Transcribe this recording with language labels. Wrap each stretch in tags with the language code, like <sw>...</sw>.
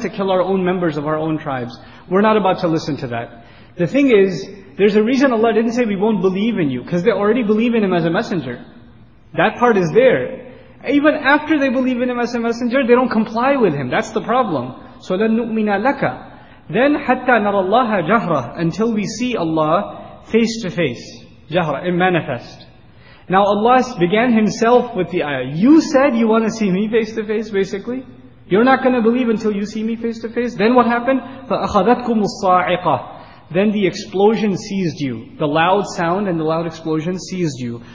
<en>To kill our own members of our own tribes. We're not about to listen to that. The thing is, there's a reason Allah didn't say we won't believe in you, because they already believe in Him as a messenger. That part is there. Even after they believe in Him as a messenger, they don't comply with Him. That's the problem. So then نُؤْمِنَ لَكَ.</en> <ar>Then حَتَّى نَرَى اللَّهَ جَهْرَةً.</ar> <en>Until we see Allah face to face. جَهْرَة. In manifest. Now Allah began Himself with the ayah. You said you want to see Me face to face, basically. You're not going to believe until you see Me face to face. Then what happened? فَأَخَذَتْكُمُ الصَّاعِقَةً. Then the explosion seized you. The loud sound and the loud explosion seized you.</en>